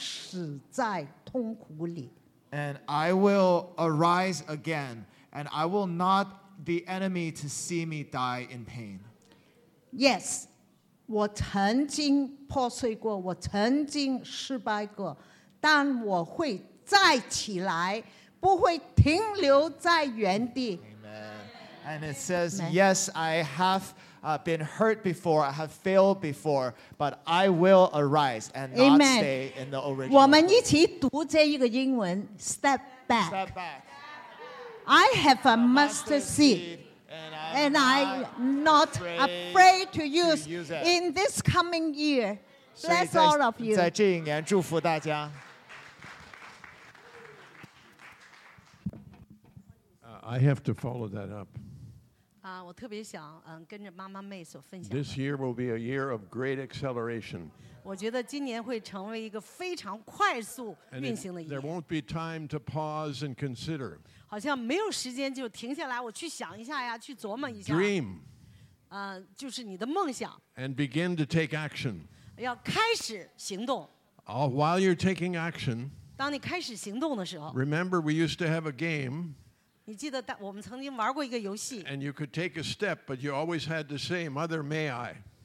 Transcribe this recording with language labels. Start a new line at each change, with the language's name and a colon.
Chinese: 我会再次起来，我不容许敌人看见我死在痛苦里。
English: And I will arise again, and I will not the enemy to see me die in pain. Yes,
Chinese: 我曾经破碎过，我曾经失败过，但我会再起来，不会停留在原地。
English: Amen. And it says, Amen. Yes, I have been hurt before, I have failed before, but I will arise and not Amen. Stay in the original.
Chinese: 我们一起读这一个英文,
English: step back. Step back. I have a mustard seed, and I'm not afraid to use in this coming year. Bless all of you.
Chinese: 在这一年祝福大家。
English: I have to follow that up.
Chinese: 我特别想跟着妈妈妹所分享。
English: This year will be a year of great acceleration.
Chinese: 我觉得今年会成为一个非常快速运行的一年。
English: There won't be time to pause and consider.
Chinese: 好像没有时间就停下来，我去想一下呀，去琢磨一下。
English: Dream.
Chinese: 就是你的梦想。
English: And begin to take action.
Chinese: 要开始行动。
English: While you're taking action.
Chinese: 当你开始行动的时候。
English: Remember, we used to have a game.
Chinese: 你记得我们曾经玩过一个游戏。
English: And you could take a step, but you always had to say, Mother, may I?